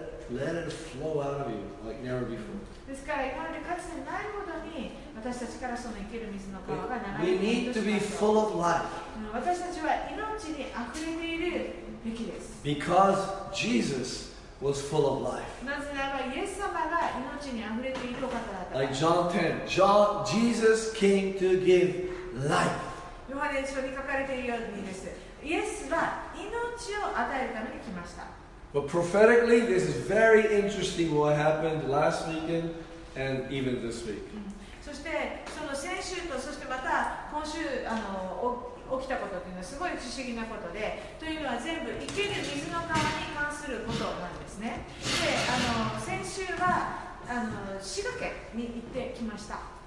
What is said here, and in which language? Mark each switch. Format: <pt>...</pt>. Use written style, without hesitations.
<en>Let it flow out of you like never before.</en> <ja>ですから今までかつてないほどに私たちからその生ける水の川が流れているようになります。</ja> <en>We need to be full of life.</en> <ja>私たちは命にあふれているべきです。</ja> <en>Because Jesus was full of life.</en> <ja>なぜならばイエス様が命にあふれているお方だった。</ja> <en>Like John 10, John, Jesus came to give. Life.</en> <ja>ヨハネ書に書かれているようにです。イエスは命を与えるために来ました。</ja> <en>But prophetically, this is very interesting what happened last weekend and even this week.</en> <ja>そしてその先週とそしてまた今週起きたことというのはすごい不思議なことで、というのは全部生ける水の川に関することなんですね。で、先週は滋賀県に行ってきました。</ja>